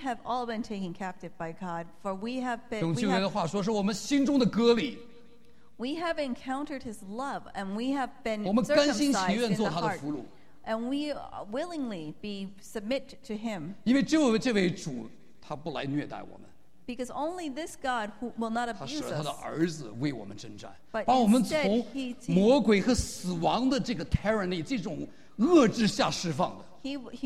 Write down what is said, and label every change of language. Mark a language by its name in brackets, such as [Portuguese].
[English] have all been taken captive by God, for we have been. [Chinese] 用旧约的话说，是我们心中的割礼。 [English] We have encountered His love, and we have been. [Chinese] 我们甘心情愿做他的俘虏。 [English] And we willingly be submit to Him. [Chinese] 因为这位主，他不来虐待我们。 [English] Because only this God who will not abuse us. [Chinese] 他舍了他的儿子为我们征战，把我们从魔鬼和死亡的这个 tyranny 这种遏制下释放的。 [English] He